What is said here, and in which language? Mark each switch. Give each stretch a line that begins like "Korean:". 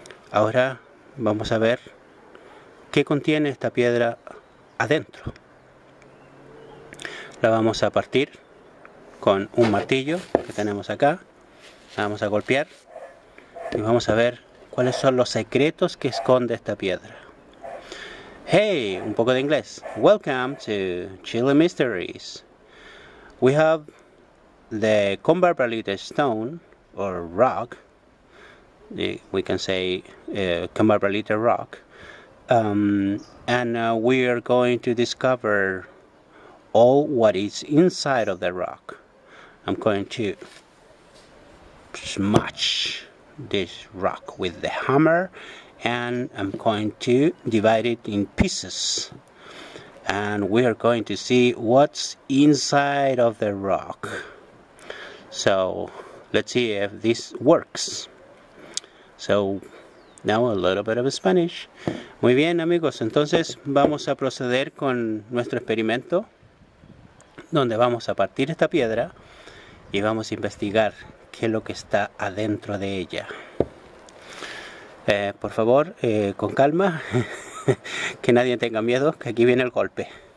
Spanish: Ahora vamos a ver qué contiene esta piedra adentro. La vamos a partir con un martillo que tenemos acá. La vamos a golpear y vamos a ver cuáles son los secretos que esconde esta piedra. Hey, un poco de inglés.
English: Welcome to Chile Mysteries. We have the Combarbalita stone or rock. We can say Combarbalita rock. And we are going to discover all what is inside of the rock. I'm going to smash this rock with the hammer and I'm going to divide it in pieces. And we are going to see what's inside of the rock. So let's see if this works. So now a little bit of Spanish.
Spanish: Muy bien amigos, entonces vamos a proceder con nuestro experimento, donde vamos a partir esta piedra y vamos a investigar qué es lo que está adentro de ella. Por favor, con calma, que nadie tenga miedo, que aquí viene el golpe.